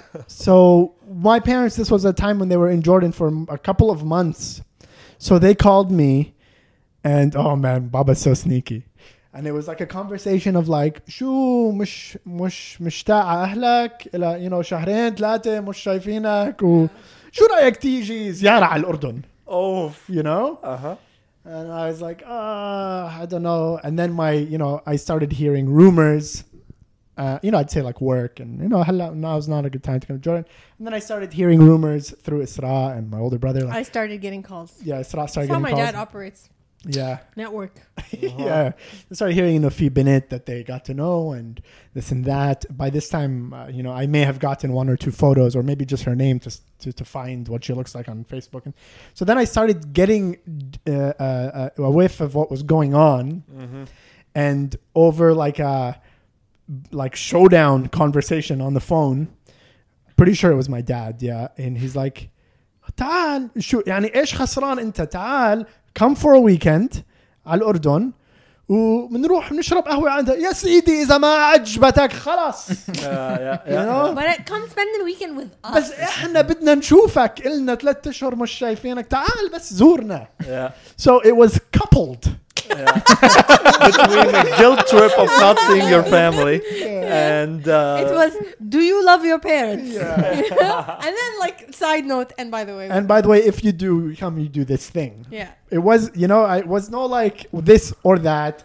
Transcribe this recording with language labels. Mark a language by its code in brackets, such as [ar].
[en] So my parents, this was a time when they were in Jordan for a couple of months. So they called me and oh man, Baba's so sneaky. And it was like a conversation of like, [ar] شو مش مش مشتاق أهلك إلى [en] you know [ar] شهرين ثلاثة مش شايفينك وشو رأيك تيجي زيارة على الأردن. [en] Oh, you know? Uh-huh. And I was like, I don't know. And then my, you know, I started hearing rumors. You know, I'd say like work and, you know, hello, now's not a good time to come to Jordan. And then I started hearing rumors through Isra and my older brother. Like, I started getting calls. Yeah, Isra started getting calls. That's how my dad operates. Yeah. Network. Yeah. I started hearing Nafi Bennett that they got to know and this and that. By this time, you know, I may have gotten one or two photos or maybe just her name to find what she looks like on Facebook. And so then I started getting a whiff of what was going on. Mm-hmm. And over like a like showdown conversation on the phone, pretty sure it was my dad, yeah, and he's like, [ar] تعال شو يعني ايش خسران انت تعال [en] come for a weekend [ar] على الأردن ومنروح نشرب قهوة عندها يا سيدي إذا ما عجبتك خلاص [en] but come spend the weekend with us [ar] بس إحنا بدنا نشوفك إلنا ثلاثة أشهر مش شايفينك تعال بس زورنا [en] yeah. So it was coupled between the guilt trip of not seeing your family and it was, do you love your parents? Yeah. And then, like, side note, and by the way, if you do, come, you do this thing. Yeah, it was, you know, it was no like this or that.